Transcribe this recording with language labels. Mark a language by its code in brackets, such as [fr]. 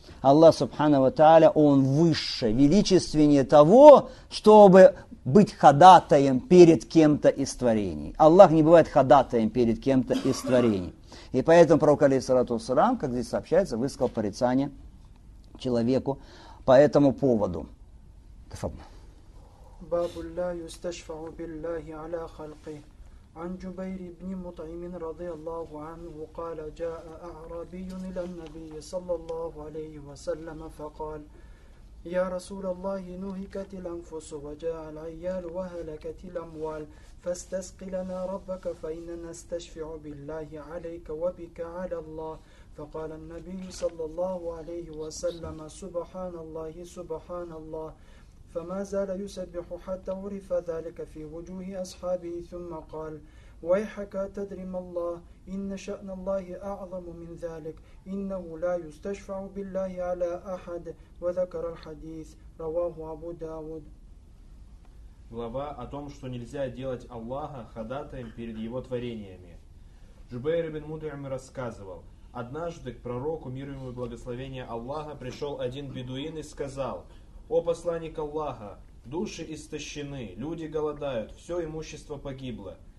[ru] Аллах субхана ва тааля, он выше, величественнее того, чтобы быть ходатаем перед кем-то из творений. Аллах не бывает ходатаем перед кем-то из творений. И поэтому пророк алейхиссалату вассалам, как здесь сообщается, высказал порицание человеку по этому поводу. [ar] Бабу ла юсташфау биллахи аля халки. عن جبير بن مطعم رضي الله عنه قال جاء أعرابي إلى النبي صلى الله عليه وسلم فقال يا رسول الله نهكت الأنفس وجاء العيال وهلكت الأموال فاستسق لنا ربك فإننا نستشفع بالله عليك وبك على الله فقال النبي صلى الله عليه وسلم سبحان الله سبحان الله فما زال يسبح حتى عرف ذلك في وجوه أصحابه ثم قال ويحك تدري ما الله إن شأن الله أعظم من ذلك إنه لا يستشفع بالله على أحد وذكر الحديث رواه أبو داود. [ru] глава о том, что нельзя делать Аллаха ходатаем перед его творениями. Джубейр ибн Мутаим рассказывал, однажды к пророку, мир ему и благословение Аллаха, пришел один бедуин и сказал: «О посланник Аллаха, души истощены, люди голодают, все имущество погибло.